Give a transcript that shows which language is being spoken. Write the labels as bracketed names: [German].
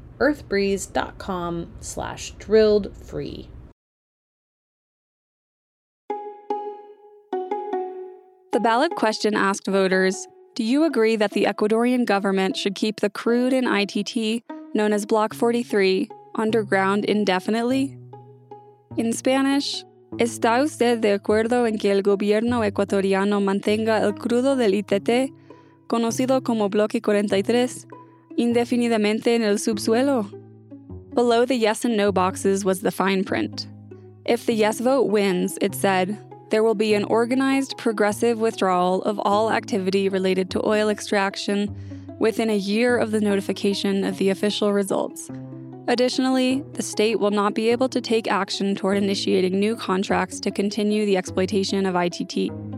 [English] earthbreeze.com/drilledfree. The ballot question asked voters, do you agree that the Ecuadorian government should keep the crude in ITT, known as Block 43, underground indefinitely? In Spanish, [Spanish] ¿está usted de acuerdo en que el gobierno ecuatoriano mantenga el crudo del ITT, conocido como Bloque 43, indefinidamente en el subsuelo? [English] Below the yes and no boxes was the fine print. If the yes vote wins, it said, there will be an organized, progressive withdrawal of all activity related to oil extraction within a year of the notification of the official results. Additionally, the state will not be able to take action toward initiating new contracts to continue the exploitation of ITT.